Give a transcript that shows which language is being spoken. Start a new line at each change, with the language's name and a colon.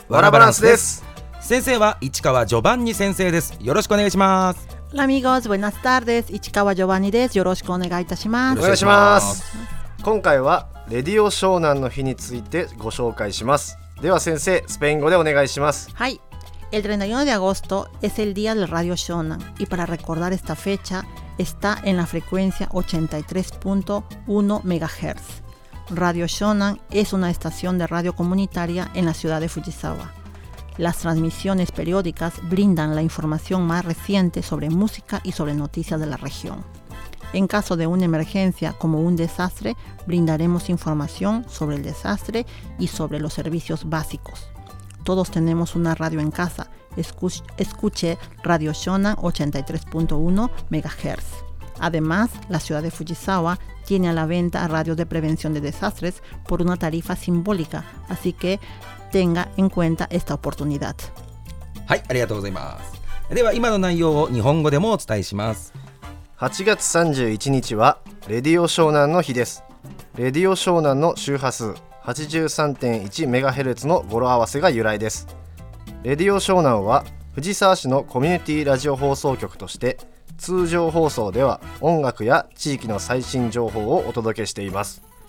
Japanese: ワラバランスです。先生は市川ジョバンニ先生です。よろしくお願いします。
Spanish: ラミゴーズ、ブエナスタール
Japanese: です。市川ジョバンニです。よろしくお願いいたします。お願いします。今回はレディオ湘南の日についてご紹介します。では先生、スペイン語でお願いします。はい。
Spanish: El 31 de agosto es el día del Radio Shonan y para recordar esta fecha está en la frecuencia 83.1 MHz. Radio Shonan es una estación de radio comunitaria en la ciudad de Fujisawa. Las transmisiones periódicas brindan la información más reciente sobre música y sobre noticias de la región. En caso de una emergencia como un desastre, brindaremos información sobre el desastre y sobre los servicios básicos. Todos tenemos una radio en casa. Escuche Radio Shonan 83.1 MHz. Además, la ciudad de Fujisawa tiene a la venta radios de prevención de desastres por una tarifa simbólica. Así que tenga en cuenta esta oportunidad.
Japanese: はい、ありがとうございます。では、今の内容を日本語でもお伝えします。 8月31日はレディオ湘南の日です。レディオ湘南の周波数。83.1MHz の語呂合わせが由来です。レディオ湘南は藤沢市のコミュニティラジオ放送局として、通常放送では音楽や地域の最新情報をお届けしています。